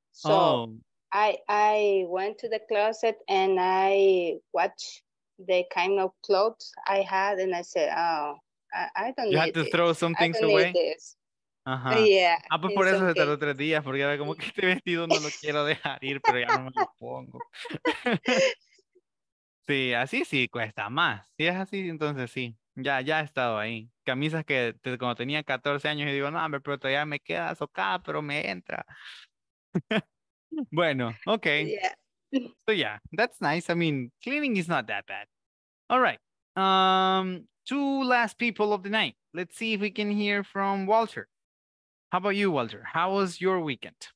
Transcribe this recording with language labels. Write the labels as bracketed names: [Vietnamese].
[English] So, I went to the closet and I watched the kind of clothes I had and I said, oh, I don't you need to this. Throw some things away. Ajá. Yeah, [Spanish] ah, pues por eso se tardó 3 días, porque era como que este vestido no lo quiero dejar ir, pero ya no me lo pongo. Sí, así sí cuesta más. Si es así, entonces sí, ya he estado ahí. Camisas que cuando tenía 14 años y digo, no, hombre, pero todavía me queda socada, pero me entra. Bueno, ok. [English] Yeah. So yeah, that's nice. I mean, cleaning is not that bad. All right. Two last people of the night. Let's see if we can hear from Walter. How about you, Walter? How was your weekend?